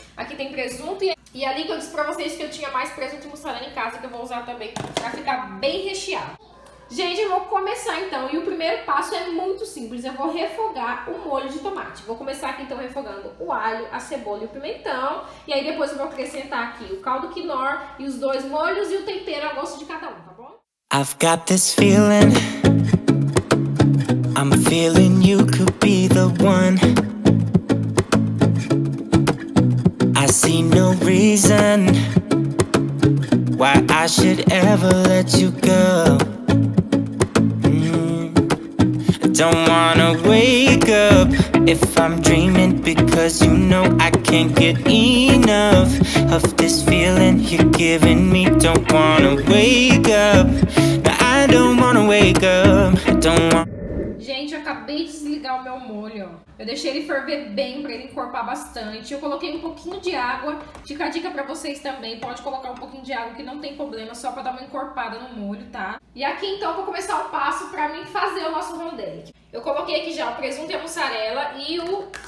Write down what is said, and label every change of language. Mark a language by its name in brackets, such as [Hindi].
[Portuguese] Aqui tem presunto e ali que eu disse pra vocês que eu tinha mais presunto e mussarela em casa, que eu vou usar também pra ficar bem recheado. Gente, eu vou começar então, e o primeiro passo é muito simples, eu vou refogar o molho de tomate. Vou começar aqui então refogando o alho, a cebola e o pimentão, e aí depois eu vou acrescentar aqui o caldo Knorr e os dois molhos e o tempero a gosto de cada um, tá bom? [English] I've got this feeling, I'm feeling you could be the one. I see no reason why I should ever let you go. Don't wanna wake up if I'm dreaming, because you know I can't get enough of this feeling you're giving me. Don't wanna wake up, no, I don't wanna wake up. Don't want. [Portuguese] Gente, eu acabei de desligar o meu molho. Eu deixei ele ferver bem pra ele encorpar bastante. Eu coloquei um pouquinho de água. Fica a dica pra vocês também. Pode colocar um pouquinho de água que não tem problema, só pra dar uma encorpada no molho, tá? E aqui então eu vou começar o passo pra mim fazer o nosso rondelli. Eu coloquei aqui já o presunto e a mussarela e o